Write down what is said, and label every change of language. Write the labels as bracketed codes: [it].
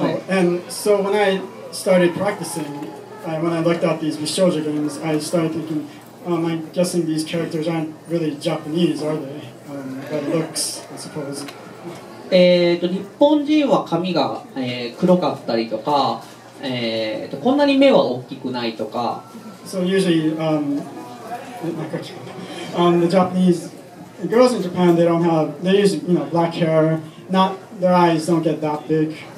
[en] And so when I started practicing, when I looked at these 美少女 games, I started thinking, I'm guessing these characters aren't really Japanese, are they? By the looks, I suppose. [ja] 日本人は髪が黒かったりとか、 こんなに目は大きくないとか [en] So usually, the Japanese girls in Japan, they don't have, they use, you know, black hair, not, their eyes don't get that big.